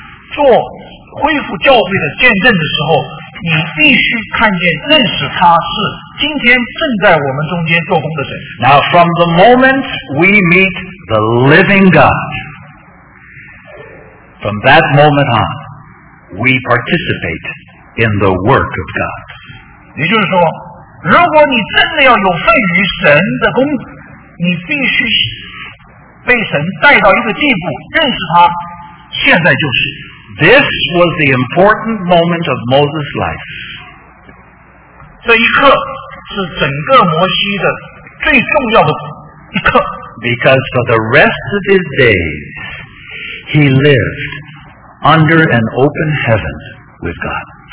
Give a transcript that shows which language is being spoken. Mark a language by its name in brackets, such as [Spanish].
[Chinese] 但是他，你真的要看见神在今天做恢复教会的见证的时候。 [English] Now from the moment we meet the living God, from that moment on, we participate in the work of God. [Chinese] 也就是说，如果你真的要有份于神的工，你必须被神带到一个地步，认识他，现在就是。 [English] This was the important moment of Moses' life. [Chinese] 这一刻是整个摩西的最重要的一刻。 [English] Because for the rest of his days, he lived under an open heaven with God.